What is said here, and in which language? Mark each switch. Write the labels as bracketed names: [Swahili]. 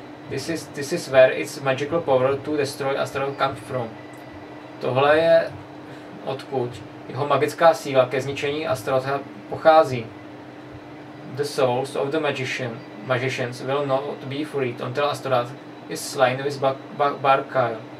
[English] This is where its magical power to destroy Astaroth comes from. [Czech] Tohle je odkud jeho magická síla ke zničení Astarotha pochází. [English] The souls of the magicians will not be freed until Astaroth is slain with Barkhyle.